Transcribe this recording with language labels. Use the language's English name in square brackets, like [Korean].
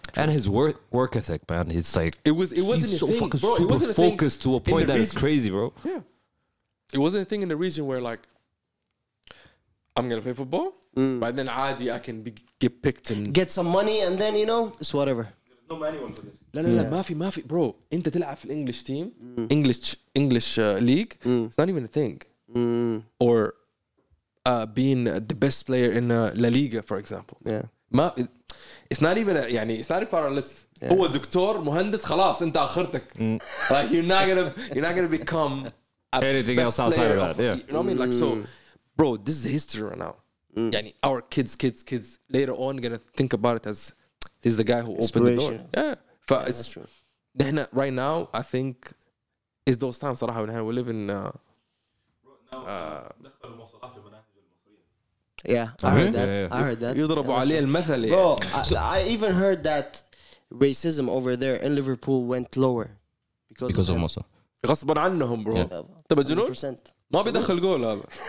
[English] True. And his work ethic, man. It's like, he's so fucking super focused to a point that is crazy, bro. Yeah. It wasn't a thing in the region where, like, I'm going to play football, but then Adi, I can be, get picked and get some money, and then, you know, it's whatever. There's no money for this. [Arabic] لا لا لا ما في ما في bro انت تلعب في الانجليش تيم انجليش ليج [English] it's not even a thing or being the best player in La Liga for example yeah ما it's not even a, يعني it's not a part of the list yeah. [Arabic] هو دكتور مهندس خلاص انت اخرتك [English] like you're not gonna become anything best else outside of that you know what I mean like so bro this is history right now يعني our kids later on gonna think about it as this is the guy who opened the door yeah But yeah, then right now, I think it's those times. صراحة we live in. I heard that. [Arabic] يضربوا عليه المثل. [English] Bro, I even heard that racism over there in Liverpool went lower because of Mosala. [Arabic] غصبا عنهم, bro. تبى جنون؟ ما بيدخل جول هذا.